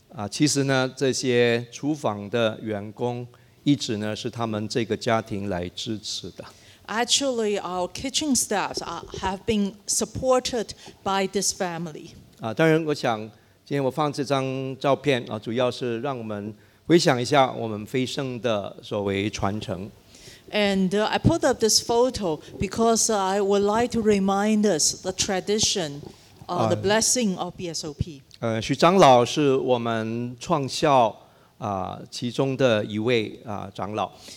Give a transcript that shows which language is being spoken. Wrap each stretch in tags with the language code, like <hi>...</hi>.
<zh>其实呢，这些厨房的员工一直呢是他们这个家庭来支持的。</zh> <en>Actually, our kitchen staffs have been supported by this family.</en> <zh>当然，我想今天我放这张照片主要是让我们回想一下我们飞升的所谓传承。</zh> <en>And I put up this photo because I would like to remind us the tradition, the blessing of BSOP.</en> <zh>许长老是我们创校其中的一位长老。</zh>